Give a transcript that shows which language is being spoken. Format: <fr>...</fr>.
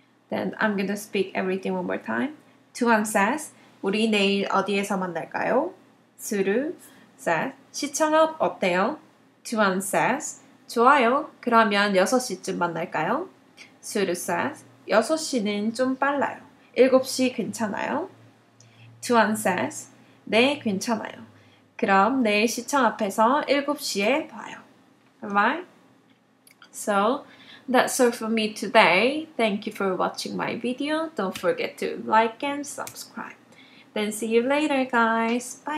<en>Then I'm going to speak everything one more time. Tuan says,</en> <ko>우리 내일 어디에서 만날까요?</ko> <en>Suru says,</en> <ko>시청 앞 어때요?</ko> <en>Tuan says,</en> <ko>좋아요. 그러면 6시쯤 만날까요?</ko> <en>Suru says,</en> <ko>6시는 좀 빨라요. 7시 괜찮아요?</ko> <en>Tuan says,</en> <ko>네, 괜찮아요. 그럼 내일 시청 앞에서 7시에 봐요.</ko> <en>Alright? So, that's all for me today. Thank you for watching my video. Don't forget to like and subscribe. Then see you later, guys. Bye.</en>